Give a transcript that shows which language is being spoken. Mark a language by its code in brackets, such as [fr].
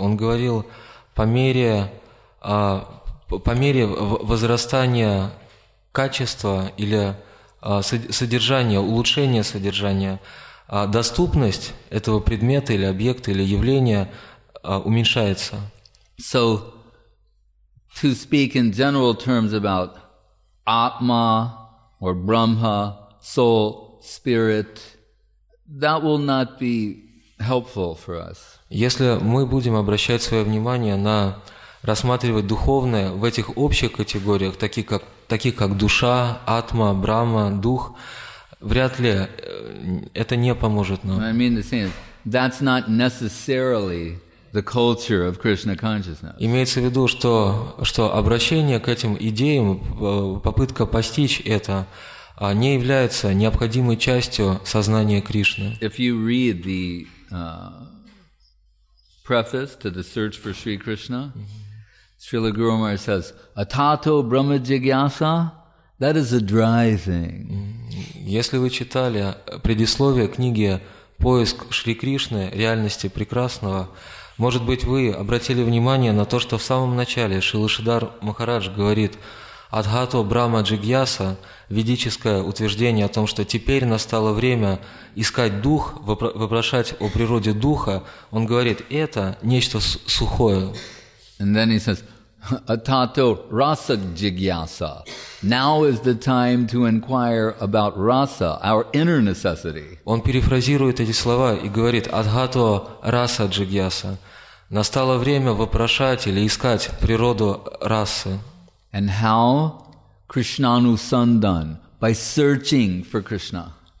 [ru] Он говорил, по мере возрастания качества или содержания, улучшения содержания, а доступность этого предмета или объекта или явления уменьшается. [en] So, to speak in general terms about Atma or Brahma, soul, spirit, that will not be helpful for us. [ru] Если мы будем обращать свое внимание на рассматривать духовное в этих общих категориях, таких как душа, Атма, Брахма, дух, вряд ли это не поможет нам. [en] I mean the same. That's not necessarily the culture of Krishna consciousness. [ru] Имеется в виду, что обращение к этим идеям, попытка постичь это, не является необходимой частью сознания Кришны. [en] If you read the preface to the Search for Sri Krishna, Srila Guru Maharaj says, [sa] "Atato Brahma Jigyasa." [en] That is a dry thing. [ru] Если вы читали предисловие книги «Поиск Шри Кришны. Реальности прекрасного», Может быть, вы обратили внимание на то, что в самом начале Шрила Шридхар Махарадж говорит [sa] «Адхато Брахма Джигьяса» [ru] – ведическое утверждение о том, что теперь настало время искать дух, вопрошать о природе духа. Он говорит, это нечто сухое. [en] And then he says, [sa] Atato rasa jigyasa. [en] Now is the time to inquire about rasa, our inner necessity. [ru] Он перефразирует эти слова и говорит: [sa] Атхато раса джигьяса. [ru] Настало время вопрошать или искать природу расы. [en] And how Krishnanu sandan by searching for Krishna.